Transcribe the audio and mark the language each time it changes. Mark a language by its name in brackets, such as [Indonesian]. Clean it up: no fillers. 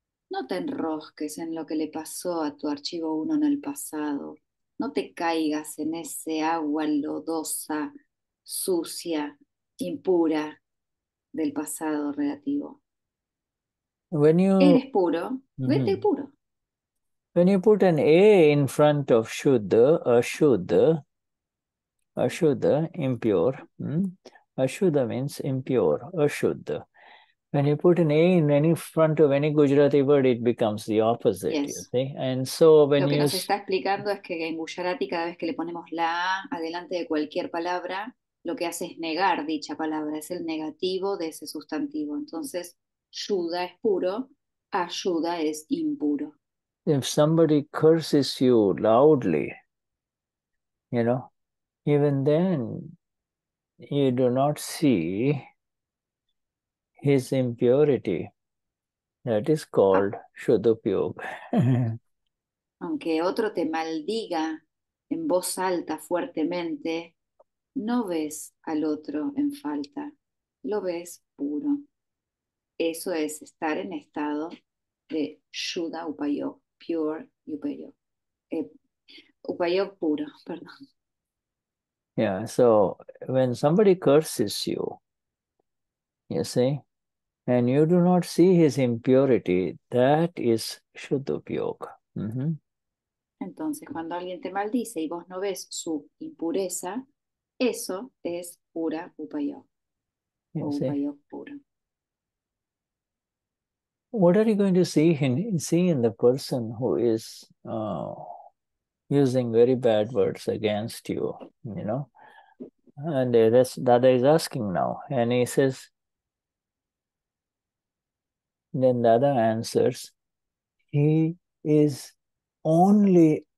[Spanish] No te enrosques en lo que le pasó a tu archivo uno en el pasado. No te caigas en ese agua lodosa, sucia, impura del pasado relativo. [English] When you, [Spanish] eres puro, vete puro. [English] When you put an A in front of Shuddha, Ashuddha, impure. Ashuddha means impure, Ashuddha. When you put an A in any front of any Gujarati word, it becomes the opposite, yes. You see? And so when you... [Spanish] Lo que nos está explicando es que en Gujarati, cada vez que le ponemos la A adelante de cualquier palabra, lo que hace es negar dicha palabra, es el negativo de ese sustantivo. Entonces, Shuddha es puro, Ashuddha es impuro. [English] If somebody curses you loudly, you know, even then you do not see his impurity. That is called Shuddha Upayoga. [Spanish] Aunque otro te maldiga en voz alta fuertemente, no ves al otro en falta, lo ves puro. Eso es estar en estado de Shuddha Upayoga, [English] pure Upayoga. [Spanish] Upayoga puro, perdón. [English] Yeah, so when somebody curses you, you see, and you do not see his impurity, that is Shuddha Upayoga. [Spanish] Entonces, cuando alguien te maldice y vos no ves su impureza, eso es pura Upayoga, Upayoga puro. [English] What are you going to see in the person who is using very bad words against you? You know, and that's Dada is asking now, and he says, then Dada answers, he is only